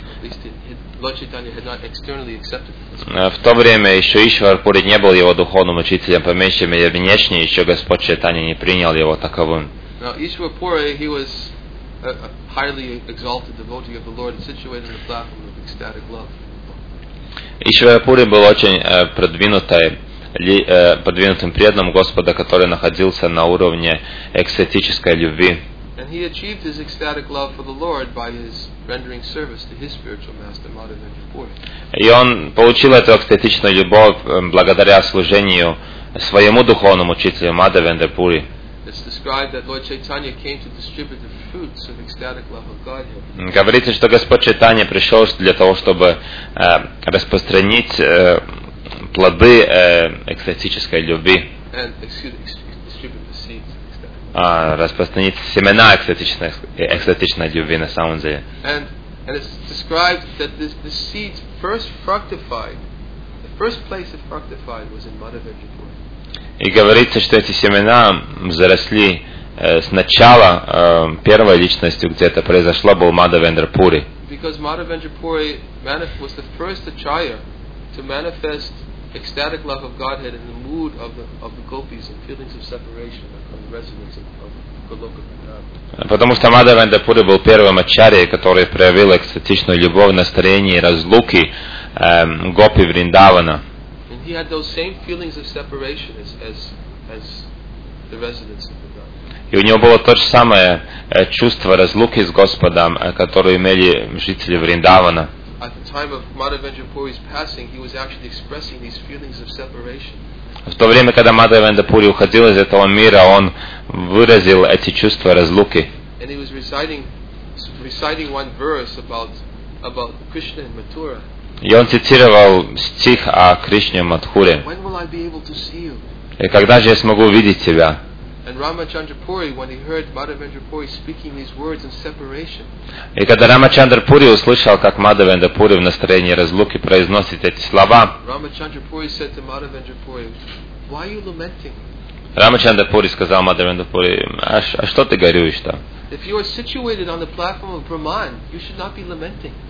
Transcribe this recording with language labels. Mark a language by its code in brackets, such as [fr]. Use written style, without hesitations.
[en] At least Lord Chaitanya had not externally accepted him. [ru] В то время еще Ишвар Пури не был его духовным учителем, по меньшей мере внешне еще Господь Чайтанья не принял его таковым. [en] Now Ишвар Пури, he was a highly exalted devotee of the Lord, situated in the platform of ecstatic love. [ru] Ишвар Пури был очень продвинутым преданным Господа, который находился на уровне экстатической любви. [en] And he achieved his ecstatic love for the Lord by his rendering service to his spiritual master, Madhavendra Puri. [ru] И он получил эту экстатичную любовь благодаря служению своему духовному учителю Мадхавендра Пури. [en] It's described that Lord Chaitanya came to distribute the fruits of ecstatic love of Godhead. [ru] Говорится, что Господь Чайтанья пришел для того, чтобы распространить плоды экстатической любви. [en] And distribute the seeds. [ru] Распространить семена экстатичной любви на самом деле. [en] And it's described that the seeds first fructified, the first place it fructified was in Madhavendra Puri. [ru] И говорится, что эти семена заросли сначала первой личностью, где это произошло, был Мадхавендра Пури. [en] Because Madhavendra Puri was the first acharya to manifest ecstatic love of Godhead in the mood of the gopis and feelings of separation and the resonance of Goloka Vrindavan. [ru] Потому что Мадхавендра Пури был первым ачарьей, который проявил экстатичную любовь, настроение и разлуки гопи Вриндавана. [en] And he had those same feelings of separation as the residents of Vrindavan. [ru] И у него было то же самое чувство разлуки с Господом, которое имели жители Вриндавана. [en] At the time of Madhavendra Puri's passing, he was actually expressing these feelings of separation. [ru] В то время, когда Мадхавендра Пури уходил из этого мира, он выразил эти чувства разлуки. [en] And he was reciting one verse about Krishna and Mathura. [ru] И он цитировал стих о Кришне Матхуре. [en] When will I be able to see you? [ru] И когда же я смогу видеть тебя? [en] And Ramachandra Puri, when he heard Madhavendra Puri speaking these words in separation, [ru] и когда Рамачандра Пури услышал, как Мадхавендра Пури в настроении разлуки произносит эти слова, [en] Ramachandra Puri said to Madhavendra Puri, "Why are you lamenting?" [ru] Рамачандра Пури сказал Мадхавендра Пури, "А что ты горюешь-то?" [en] If you are situated on the platform of Brahman, you should not be lamenting.